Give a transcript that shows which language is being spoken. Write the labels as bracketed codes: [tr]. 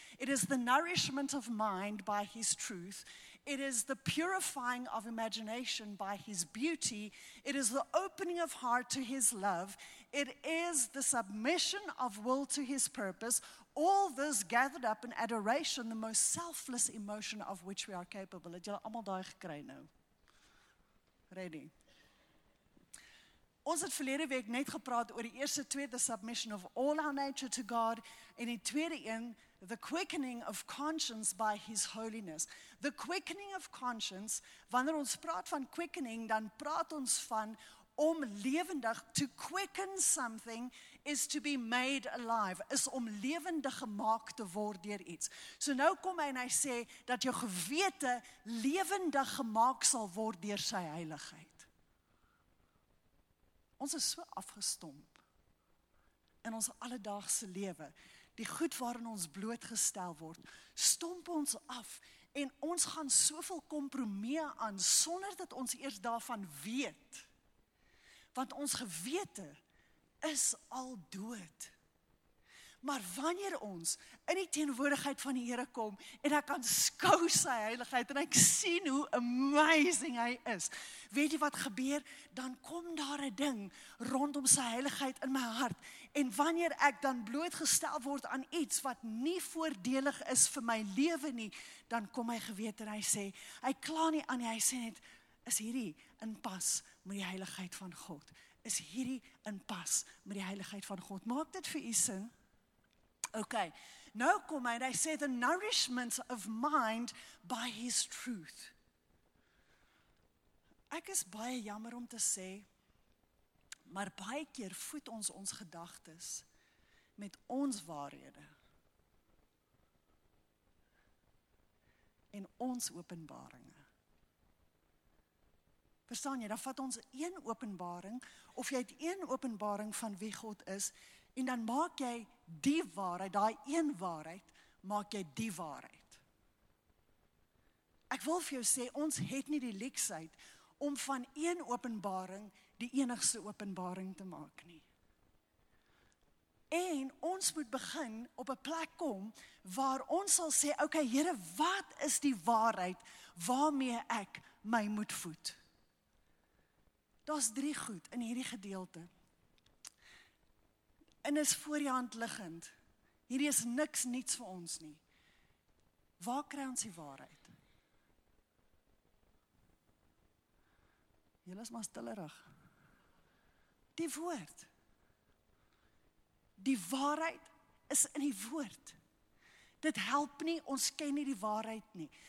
[en] It is the nourishment of mind by his truth. It is the purifying of imagination by his beauty. It is the opening of heart to his love. It is the submission of will to his purpose. All this gathered up in adoration, the most selfless emotion of which we are capable. [af] Het julle almal daai gekry nou? [en] Ready? [af] Ons het verlede week net gepraat oor die eerste twee, [en] the submission of all our nature to God, [af] en die tweede een, [en] the quickening of conscience by his holiness. The quickening of conscience, [af] wanneer ons praat van quickening, dan praat ons van om lewendig, [en] to quicken something is to be made alive, [af] is om lewendig gemaak te word deur iets. So nou kom hy en hy sê dat jou gewete lewendig gemaak sal word deur sy heiligheid. Ons is so afgestomp in ons alledaagse lewe, die goed waarin ons blootgestel word, stomp ons af en ons gaan soveel kompromie aan sonder dat ons eers daarvan weet. Want ons gewete is al dood. Maar wanneer ons in die teenwoordigheid van die Here kom en ek kan skou sy heiligheid en ek sien hoe amazing hy is. Weet jy wat gebeur? Dan kom daar 'n ding rondom sy heiligheid in my hart. En wanneer ek dan blootgestel word aan iets wat nie voordelig is vir my lewe nie, dan kom my gewete en hy sê, hy kla nie aan nie, hy sê net, is hierdie in pas met die heiligheid van God? Is hierdie in pas met die heiligheid van God? Maak dit vir u sin? [en] Okay, [af] nou kom hy en hy sê, [en] the nourishment of mind by his truth. [af] Ek is baie jammer om te sê, maar baie keer voed ons ons gedagtes met ons waarhede en ons openbaringe. Verstaan jy, dan vat ons een openbaring, of jy het een openbaring van wie God is, en dan maak jy die waarheid, daai een waarheid, maak jy die waarheid. Ek wil vir jou sê, ons het nie die leksheid om van een openbaring die enigste openbaring te maak nie. En ons moet begin op 'n plek kom waar ons sal sê, okay, Here, wat is die waarheid waarmee ek my moet voed? Daar's drie goed in hierdie gedeelte. En is voor die hand liggend. Hierdie is niks niets vir ons nie. Waar kry ons die waarheid? Julle is maar stillerig. Die woord. Die waarheid is in die woord. Dit help nie, ons ken nie die waarheid nie.